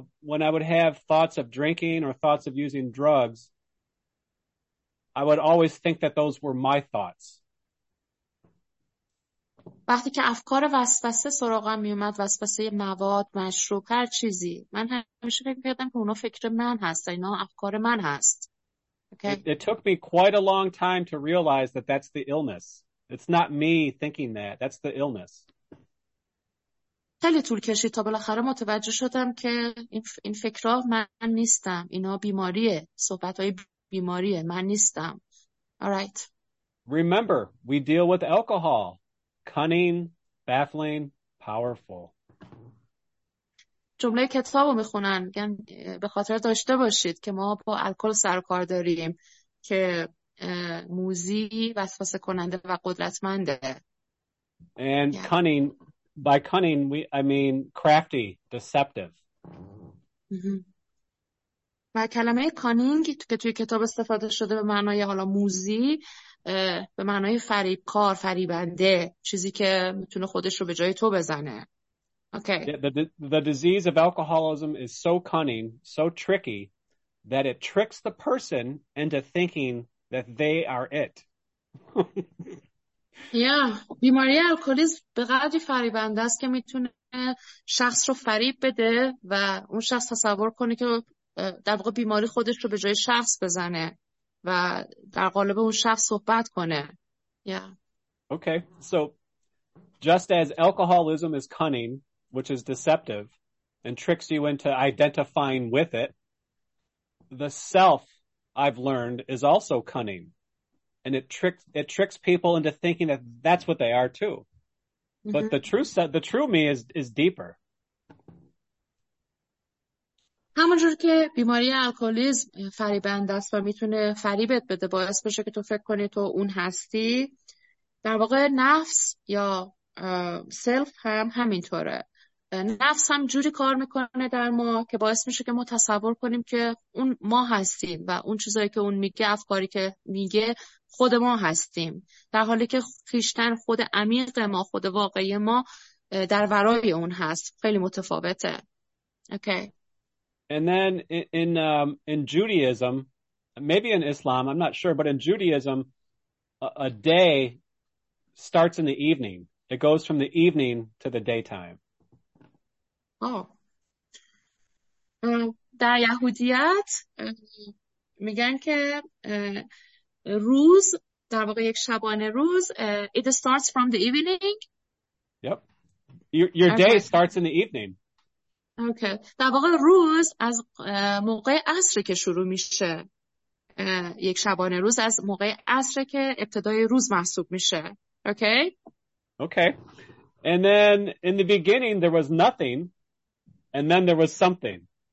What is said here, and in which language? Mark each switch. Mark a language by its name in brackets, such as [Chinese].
[English] When I would have thoughts of drinking or thoughts of using drugs, I would always think that those were my thoughts. [Persian] وقتی که افکار وسوسه سراغم می اومد، وسوسه مواد، مشروب، هر چیزی، من همیشه فکر می‌کردم که اونا فکر من هست، اینا افکار من هست. [English] Okay. It took me quite a long time to realize that that's the illness. It's not me thinking that. That's the illness. [Persian] خیلی طول کشید تا بالاخره متوجه شدم که این فکرها من نیستم، اینا بیماریه، صحبتهای بیماریه، من نیستم. [English] All right. Remember, we deal with alcohol. Cunning, baffling, powerful. [Persian] جمله کتابو میخونن، میگن به خاطر داشته باشید که ما با الکل سر کار داریم که موذی، وسوسه کننده و قدرتمنده. [English] And cunning by cunning, I mean crafty, deceptive. [Persian] و کلمه کانینگ که توی کتاب استفاده شده به معنای حالا موزی، به معنای فریبکار، فریبنده، چیزی که میتونه خودش رو به جای تو بزنه. [English] Okay. Yeah, the disease of alcoholism is so cunning, so tricky, that it tricks the person into thinking that they are it. [Persian] Yeah, بیماری الکلیسم به قدری فریبنده است که میتونه شخص رو فریب بده و اون شخص تصور کنه که در واقع بیماری خودش رو به جای شخص بزنه و در قالب اون شخص صحبت کنه. [English] Yeah. Okay, so just as alcoholism is cunning, which is deceptive, and tricks you into identifying with it, the self, I've learned, is also cunning. And it tricks people into thinking that that's what they are too. But the true me is deeper. [Persian] همونجور که بیماری الکلیسم فریبنده است و میتونه فریبت بده، باعث بشه که تو فکر کنی تو اون هستی، در واقع نفس یا سلف هم همینطوره. نفس هم جوری کار میکنه در ما که باعث میشه که ما تصور کنیم که اون ما هستیم و اون چیزایی که اون میگه، افکاری که میگه، خود ما هستیم، در حالی که خیشتن، خود عمیق ما، خود واقعی ما در ورای اون هست. خیلی متفاوته. اوکی. [English] And then in Judaism, maybe in Islam, I'm not sure, but in Judaism, a day starts in the evening. It goes from the evening to the daytime. Oh. [Persian] در یهودیت میگن که روز، در واقع یک شبانه روز, [English] it starts from the evening. Yep. Your day starts in the evening. Okay. [Persian] در واقع روز از موقع عصر که شروع میشه، یک شبانه روز از موقع عصر که ابتدای روز محسوب میشه. [English] Okay. Okay. And then in the beginning there was nothing, and then there was something.